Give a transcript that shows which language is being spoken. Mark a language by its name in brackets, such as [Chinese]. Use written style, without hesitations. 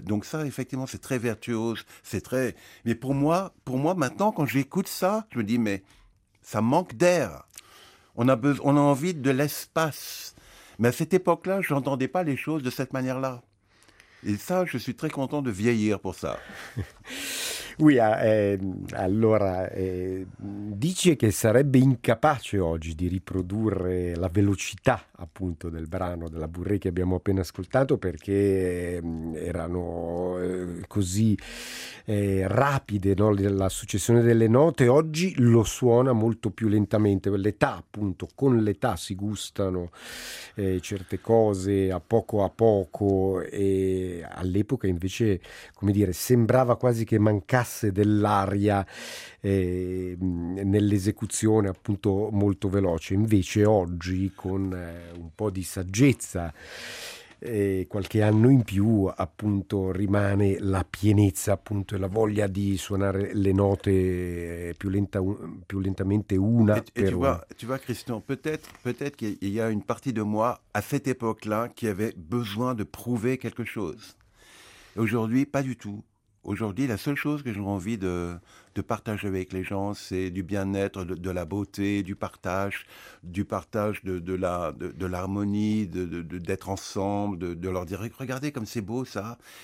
[French] Donc ça, effectivement, c'est très vertuose, c'est très... Mais pour moi, maintenant, quand j'écoute ça, je me dis, mais ça manque d'air. On a envie de l'espace. Mais à cette époque-là, je n'entendais pas les choses de cette manière-là. Et ça, je suis très content de vieillir pour ça. [Italian] Oui, allora dice che sarebbe incapace oggi di riprodurre la velocità appunto del brano della Bourrée che abbiamo appena ascoltato perché erano così rapide, no, la successione delle note. Oggi lo suona molto più lentamente, l'età appunto, con l'età si gustano certe cose a poco e all'epoca invece, come dire, sembrava quasi che mancasse dell'aria nell'esecuzione appunto molto veloce. Invece oggi con un po' di saggezza e qualche anno in più appunto rimane la pienezza appunto e la voglia di suonare le note più lentamente una per una. [French] Tu vois Christian, peut-être qu'il y a une partie de moi à cette époque-là qui avait besoin de prouver quelque chose. Et aujourd'hui pas du tout. Aujourd'hui, la seule chose que j'ai envie de partager avec les gens, c'est du bien-être, de la beauté, du partage de l'harmonie, d'être ensemble, de leur dire « Regardez comme c'est beau ça !»